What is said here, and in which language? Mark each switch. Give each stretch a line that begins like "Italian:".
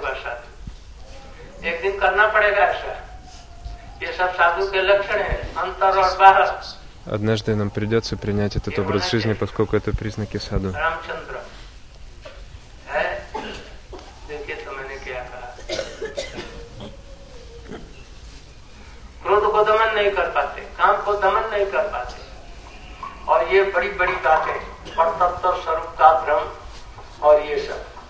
Hindi: एक दिन करना पड़ेगा ऐसा, ये सब साधु के लक्षण है, अंतर और बाहर।
Russian: Однажды нам придется принять этот образ жизни, поскольку это признаки саду.
Hindi: Рамчандра, देखिए तो मैंने क्या कहा, क्रोध को दमन नहीं कर पाते, काम को दमन नहीं कर पाते, और ये बड़ी बड़ी बातें, परतत्व स्वरूप का भ्रम और ये सब।